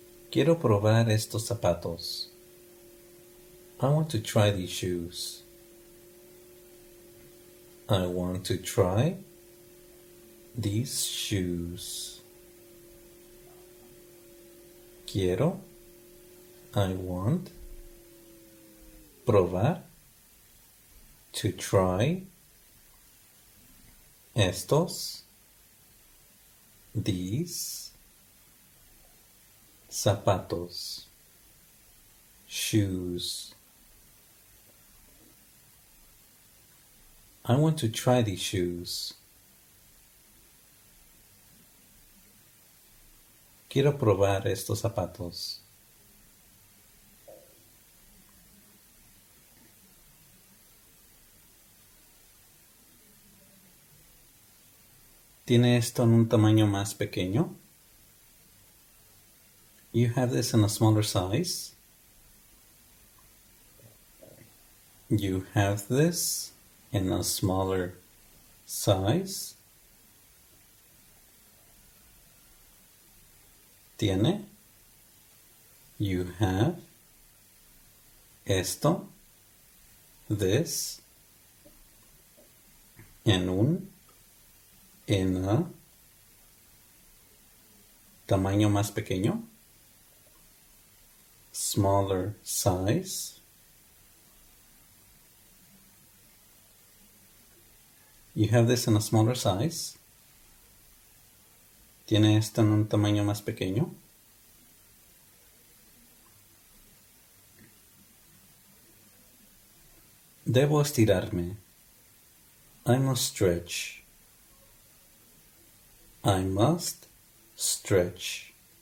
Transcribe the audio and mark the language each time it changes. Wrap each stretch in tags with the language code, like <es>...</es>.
<es>Quiero probar estos zapatos.</es> <en>I want to try these shoes. I want to try these shoes.</en> <es>Quiero,</es> <en>I want,</en> <es>probar,</es> <en>to try,</en> <es>estos,</es> <en>these,</en> <es>zapatos,</es> <en>shoes. I want to try these shoes.</en> <es>Quiero probar estos zapatos. ¿Tiene esto en un tamaño más pequeño?</es> <en>You have this in a smaller size? You have this in a smaller size?</en> <es>Tiene,</es> <en>you have,</en> <es>esto,</es> <en>this,</en> <es>en un,</es> <en>in a,</en> <es>tamaño más pequeño,</es> <en>smaller size. You have this in a smaller size.</en> <es>¿Tiene esto en un tamaño más pequeño? Debo estirarme.</es> <en>I must stretch. I must stretch.</en>